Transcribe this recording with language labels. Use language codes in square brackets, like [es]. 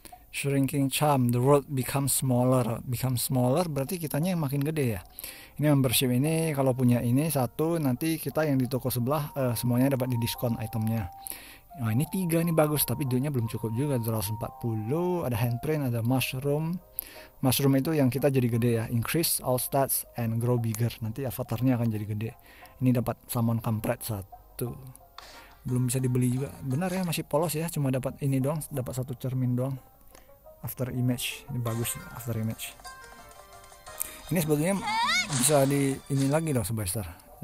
[en] Shrinking charm, the world becomes smaller. Become smaller [id] berarti kitanya yang makin gede ya. Ini membership ini, kalau punya ini satu, nanti kita yang di toko sebelah semuanya dapat di diskon itemnya. Nah ini tiga nih bagus, tapi duitnya belum cukup juga. 240, ada handprint, ada mushroom. Mushroom itu yang kita jadi gede ya. [en] Increase all stats and grow bigger. [id] Nanti avatarnya akan jadi gede. Ini dapat summon kampret satu. Belum bisa dibeli juga. Benar ya, masih polos ya, cuma dapat ini doang. Dapat satu cermin doang. After image, ini bagus after image. Ini sebetulnya bisa di ini lagi dong sebentar.